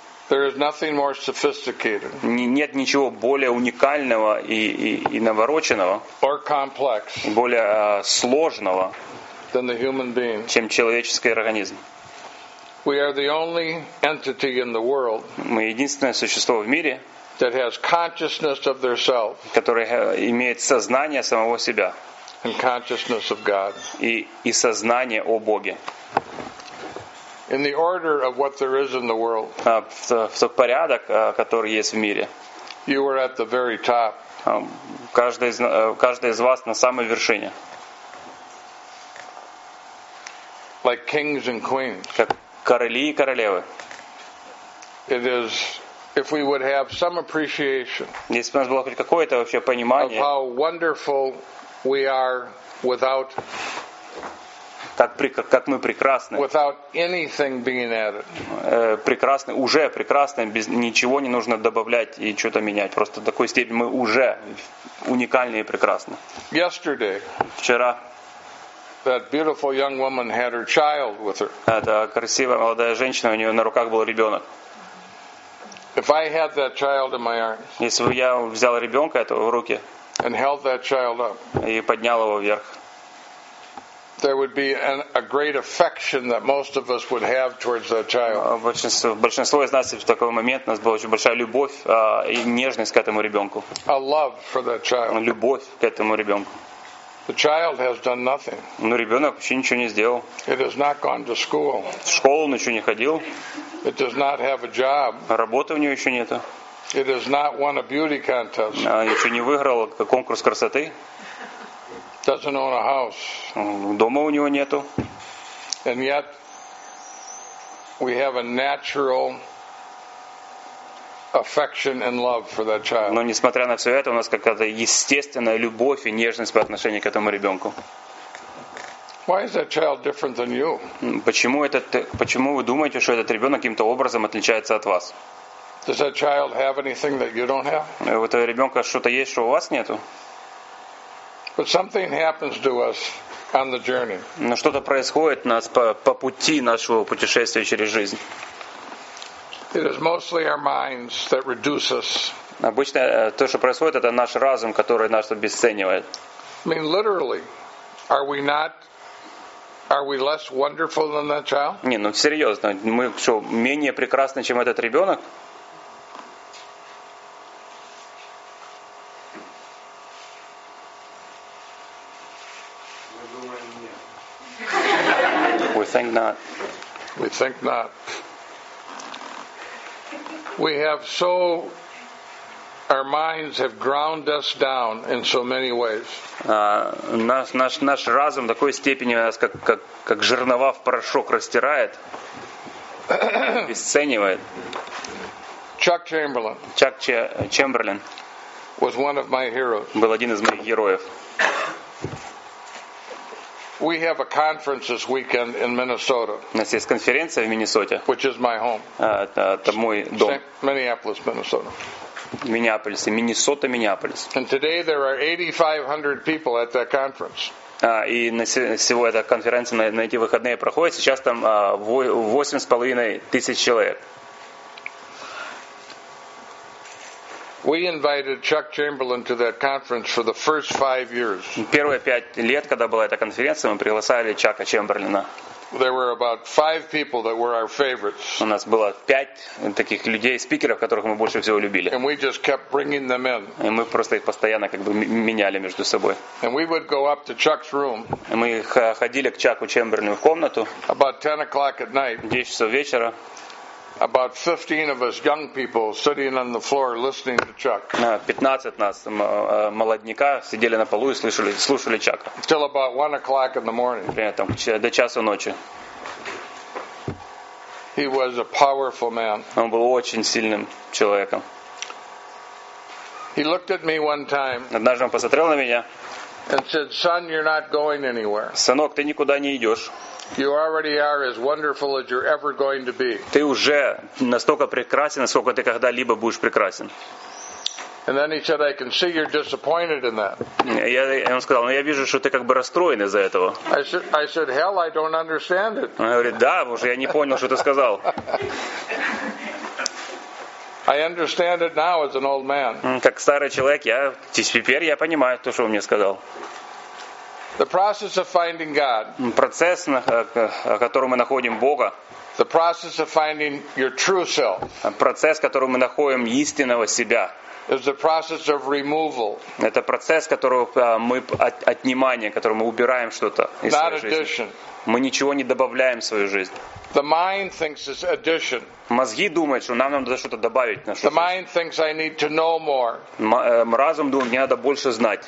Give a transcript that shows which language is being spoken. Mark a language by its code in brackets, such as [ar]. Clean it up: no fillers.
[en] There is nothing more sophisticated. [ru] Нет ничего более уникального и навороченного. [en] Or complex. [ru] Более сложного. [en] Than the human being. [ru] Чем человеческий организм. [en] We are the only entity in the world. [ru] Мы единственное существо в мире. [en] That has consciousness of their self, [ru] который имеет сознание самого себя, [en] and consciousness of God, [ru] и сознание о Боге. [en] In the order of what there is in the world, [ru] в тот порядок, который есть в мире. [en] You are at the very top. [ru] Каждый из вас на самой вершине. [en] Like kings and queens, [ru] как короли и королевы. [en] It is. If we would have some appreciation, [ru] если бы у нас было хоть какое-то вообще понимание, [en] of how wonderful we are without, [ru] как мы прекрасны, [en] without anything being added, [ru] прекрасны уже, прекрасны без ничего не нужно добавлять и что-то менять, просто в такой степени мы уже уникальны и прекрасны. [en] Yesterday, [ru] вчера. [en] That beautiful young woman had her child with her. [ru] Эта красивая молодая женщина, у нее на руках был ребенок. [en] If I had that child in my arms, [ru] если бы я взял ребенка этого в руки, [en] and held that child up, [ru] и поднял его вверх, [en] there would be a great affection that most of us would have towards that child. [ru] Большинство из нас в такой момент у нас была очень большая любовь и нежность к этому ребенку. [en] A love for that child. [ru] Любовь к этому ребенку. [en] The child has done nothing. [ru] Но ребенок вообще ничего не сделал. [en] It has not gone to school. [ru] В школу он еще не ходил. [en] It does not have a job. [ru] Работы у него еще нету. [en] It has not won a beauty contest. [ru] Еще не выиграл конкурс красоты. [en] Doesn't own a house. [ru] Дома у него нету. [en] And yet we have a natural affection and love for that child. [ru] Но несмотря на все это, у нас какая-то естественная любовь и нежность по отношению к этому ребенку. [en] Why is that child different than you? [ru] Почему вы думаете, что этот ребенок каким-то образом отличается от вас? [en] Does that child have anything that you don't have? [ru] У этого ребенка что-то есть, что у вас нету? [en] But something happens to us on the journey. [ru] Но что-то происходит нас по пути нашего путешествия через жизнь. [en] It is mostly our minds that reduce us. [ru] Обычно то, что происходит, это наш разум, который нас обесценивает. [en] I mean, literally, are we less wonderful than that child? [ru] Не, ну серьезно, мы что, менее прекрасны, чем этот ребенок? [en] We think not. We have so, our minds have ground us down in so many ways. [ru] Наш разум такой степени нас как жернова в порошок растирает, обесценивает. [en] Чак Чемберлен was one of my heroes. [ru] Был один из моих героев. [en] We have a conference this weekend in Minnesota. [ru] У нас есть конференция в Миннесоте. [en] Which is my home. [ru] Это мой дом. [en] Minneapolis, Minnesota. [ru] Миннеаполис, Миннесота, Миннеаполис. [en] And today there are 8,500 people at that conference. [ru] И на сегодня эта конференция на эти выходные проходит. Сейчас там 8,500 человек. [en] We invited Chuck Chamberlain to that conference for the first 5 years. [ru] Первые 5 лет, когда была эта конференция, мы пригласили Чака Чемберлина. [en] There were about 5 people that were our favorites. [ru] У нас было 5 таких людей, спикеров, которых мы больше всего любили. [en] And we just kept bringing them in. [ru] И мы просто их постоянно как бы меняли между собой. [en] And we would go up to Chuck's room. [ru] И мы ходили к Чаку Чемберлину в комнату. [en] About 10 o'clock at night. [ru] 10 часов вечера. [en] About 15 of us young people sitting on the floor listening to Chuck. [ru] 15 нас молодняка сидели на полу и слушали Чака. [en] Till about 1 o'clock in the morning. [ru] До часу ночи. [en] He was a powerful man. [ru] Он был очень сильным человеком. [en] He looked at me one time. [ru] Однажды он посмотрел на меня. [en] And said, "Son, you're not going anywhere." [ru] Сынок, ты никуда не идешь. [en] You already are as wonderful as you're ever going to be. [ru] Ты уже настолько прекрасен, насколько ты когда-либо будешь прекрасен. [en] And then he said, "I can see you're disappointed in that." [ru] Он сказал, я вижу, что ты как бы расстроен из-за этого. [en] I said, "Hell, I don't understand it." [ru] Он говорит, да, уже я не понял, что ты сказал. [en] I understand it now as an old man. [ru] Как старый человек, теперь я понимаю то, что он мне сказал. [en] The process of finding God. [ru] Процесс, в котором мы находим Бога. [en] The process of finding your true self. [ru] Процесс, в котором мы находим истинного себя. [en] Is the process of removal. [ru] Это процесс, которого мы отнимание, которым мы убираем что-то из своей жизни. [en] Not addition. [ru] Мы ничего не добавляем в свою жизнь. [en] The mind thinks it's addition. [ru] Мозги думают, что нам надо что-то добавить. [en] The mind thinks I need to know more. [ru] Разум думает, мне надо больше знать.